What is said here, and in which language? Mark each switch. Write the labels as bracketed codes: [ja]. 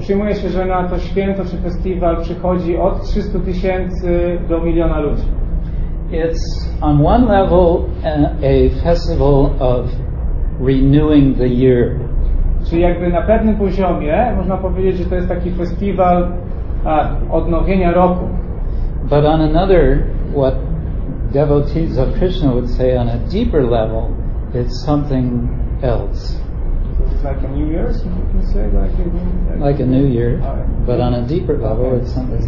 [pl] Przyjmuje się, że na to święto czy festiwal przychodzi od 300 tysięcy do miliona ludzi. [en] It's on one level a festival of renewing the year. [pl] Czyli jakby na pewnym poziomie można powiedzieć, że to jest taki festiwal odnowienia roku. [en] But on another, what devotees of Krishna would say on a deeper level, it's something else. It's like a New Year's, you can say, like a New Year, but on a deeper level, it's something else.